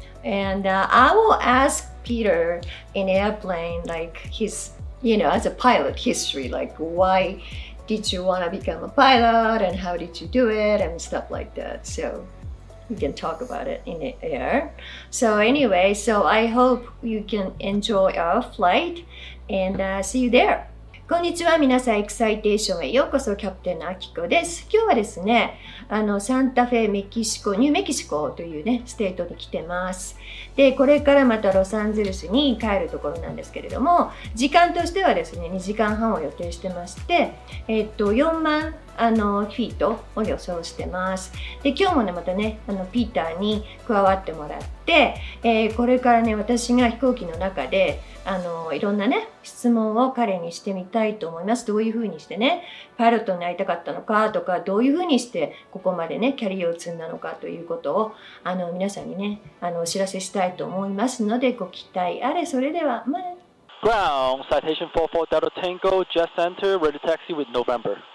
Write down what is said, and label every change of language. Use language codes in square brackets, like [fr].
[en] And I will ask Peter in airplane, like his, you know, as a pilot history, like why did you want to become a pilot and how did you do it and stuff like that. So we can talk about it in the air. So anyway, so I hope you can enjoy our flight and see you there. [ja] こんにちは、皆さん、エキサイテーションへようこそ、キャプテンのアキコです。今日はですね、サンタフェ、メキシコ、ニューメキシコというね、ステートに来てます。で、これからまたロサンゼルスに帰るところなんですけれども、時間としてはですね、2時間半を予定してまして、4万、フィートを予想してます。で、今日もね、またね、ピーターに加わってもらって、これからね、私が飛行機の中で、いろんなね、質問を彼にしてみたいと思います。どういうふうにしてね、パイロットになりたかったのかとか、どういうふうにしてここまでね、キャリアを積んだのかということを、皆さんにね、お知らせしたいと思いますので、ご期待あれ。それでは、まあ、 [en] Ground, Citation 44.0 Tango, just enter, ready taxi with November.